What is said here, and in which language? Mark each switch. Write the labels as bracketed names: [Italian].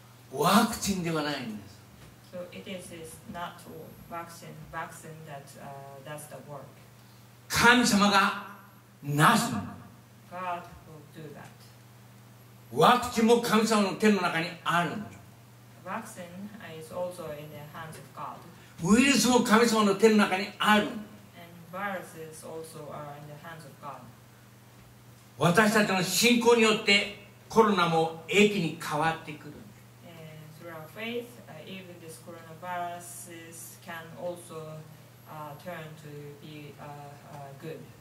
[Japanese] ワクチンではないんです。 [English] So it is not vaccine that does the work. [Japanese] 神様がなすの。 [English] God will do that. [Japanese] ワクチンも神様の手の中にあるの。 [English] Vaccine is also in the hands of God. [Japanese] ウイルスも神様の手の中にある。 [English] And viruses also are in the hands of God. [Japanese] 私たちの信仰によってコロナも疫に変わってくる。 [English] Through our faith, even this coronavirus can also turn to be good.